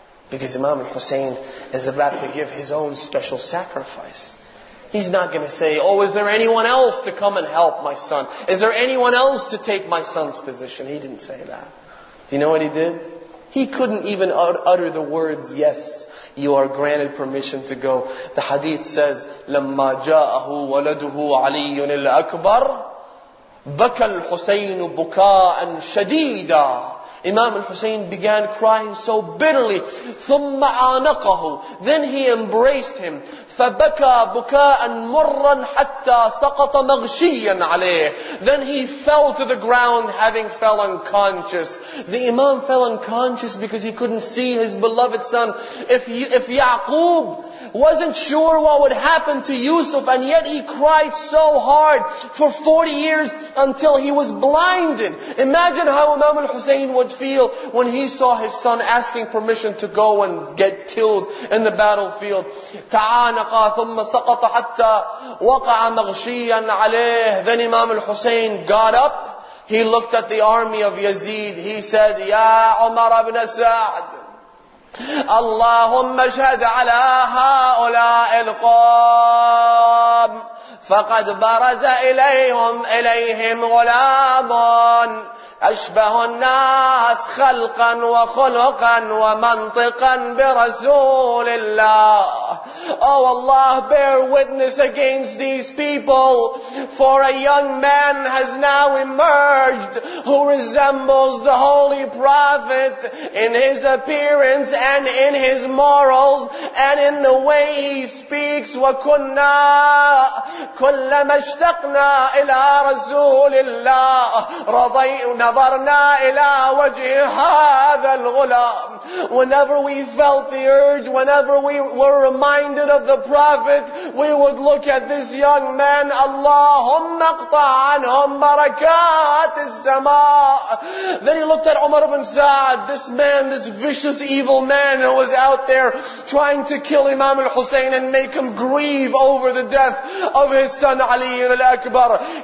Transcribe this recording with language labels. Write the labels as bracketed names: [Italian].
[English] Because Imam al-Husayn is about to give his own special sacrifice. He's not going to say, oh, is there anyone else to come and help my son? Is there anyone else to take my son's position? He didn't say that. Do you know what he did? He couldn't even utter the words, yes, you are granted permission to go. The hadith says, [Arabic] لَمَّا جَاءَهُ وَلَدُهُ عَلِيٌّ الْأَكْبَرُ بَكَى الْحُسَيْنُ بُكَاءً شَدِيدًا. [English] Imam al-Husayn began crying so bitterly. [Arabic] ثُمَّ عَانَقَهُ. [English] Then he embraced him. [Arabic] فَبَكَى بُكَاءً مُرًّا حَتَّى سَقَطَ مَغْشِيًّا عَلَيْهِ. [English] Then he fell to the ground having fell unconscious. The Imam fell unconscious because he couldn't see his beloved son. If Yaqub wasn't sure what would happen to Yusuf and yet he cried so hard for 40 years until he was blinded. Imagine how Imam al-Husayn would feel when he saw his son asking permission to go and get killed in the battlefield. [Arabic] تَعَانَقَ ثُمَّ سَقَطَ حَتَّى وَقَعَ مَغْشِيًا عَلَيْهِ. [English] Then Imam al-Husayn got up. He looked at the army of Yazid. He said, [Arabic] يَا عُمَرَ بْنَ سَعْدٍ اللهم اشهد على هؤلاء القوم فقد برز إليهم غلام أشبه الناس خلقا وخلقا ومنطقا برسول الله. [English] Oh Allah, bear witness against these people, for a young man has now emerged who resembles the Holy Prophet in his appearance and in his morals and in the way he speaks. [Arabic] وَكُنَّا كُلَّمَا اشْتَقْنَا إِلَىٰ رَسُولِ اللَّهِ رَضَيْنَا نظرنا إلى وجه هذا الغلام. [English] Whenever we felt the urge, whenever we were reminded reminded of the Prophet, we would look at this young man, [Arabic] Allahumma qta' anhum barakat as-sama'. [English] Then he looked at Umar ibn Sa'd, this man, this vicious evil man who was out there trying to kill Imam al-Hussein and make him grieve over the death of his son Ali al-Akbar.